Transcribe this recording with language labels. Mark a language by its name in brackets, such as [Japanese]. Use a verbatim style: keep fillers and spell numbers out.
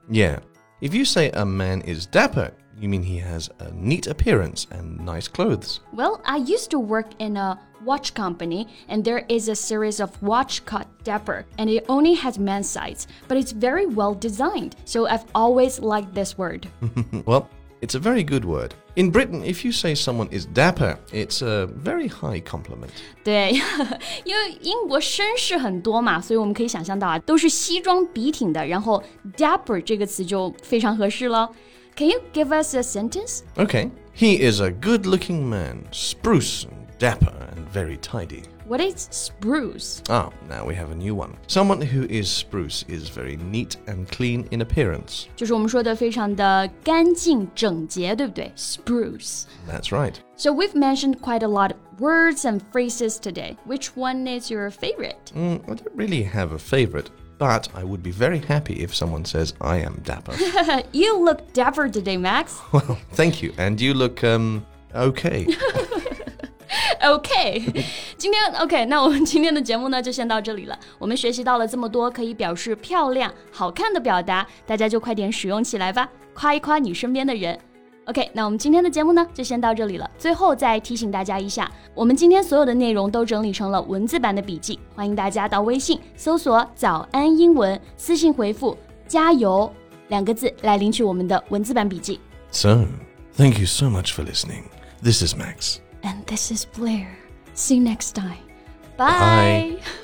[English] Yeah. If you say a man is dapper, you mean he has a neat appearance and nice clothes. Well, I used to work in a watch company, and there is a series of watch called Dapper, and it only has men's size, but it's very well designed, so I've always liked this word. Well, it's a very good word. In Britain, if you say someone is dapper, it's a very high compliment. [Chinese] 对，因为英国绅士很多嘛，所以我们可以想象到啊，都是西装笔挺的，然后 dapper 这个词就非常合适了。 [English] Can you give us a sentence? Okay. He is a good-looking man, spruce and dapper and very tidy. What is spruce? Ah, now we have a new one. Someone who is spruce is very neat and clean in appearance. [Chinese] 就是我们说的非常的干净整洁，对不对？ [English] Spruce. That's right. So we've mentioned quite a lot of words and phrases today. Which one is your favorite? Mm, I don't really have a favorite. But I would be very happy if someone says, I am dapper. You look dapper today, Max. Well, thank you. And you look, um, okay. Okay. [Chinese] 今天 OK, 那我们今天的节目呢就先到这里了。我们学习到了这么多可以表示漂亮、好看的表达，大家就快点使用起来吧，夸一夸你身边的人。 OK, 那我们今天的节目呢就先到这里了。最后再提醒大家一下，我们今天所有的内容都整理成了文字版的笔记，欢迎大家到微信搜索早安英文，私信回复加油两个字来领取我们的文字版笔记。 [English] So, thank you so much for listening. This is Max. And this is Blair. See you next time. Bye! Bye.